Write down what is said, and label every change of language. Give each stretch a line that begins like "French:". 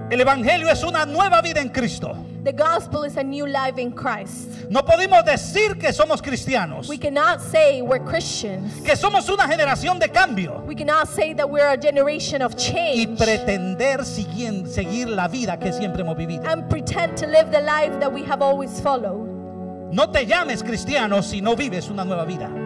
Spanish: El evangelio es una nueva vida en Cristo.
English: The gospel is a new life in Christ.
Spanish: No podemos decir que somos cristianos.
English: We cannot say we're Christians.
Spanish: Que somos una generación de cambio.
English: We cannot say that we're a generation of change.
Spanish: Y pretender seguir la vida que siempre hemos vivido.
English: And pretend to live the life that we have always followed.
Spanish: No te llames cristiano si no vives una nueva vida.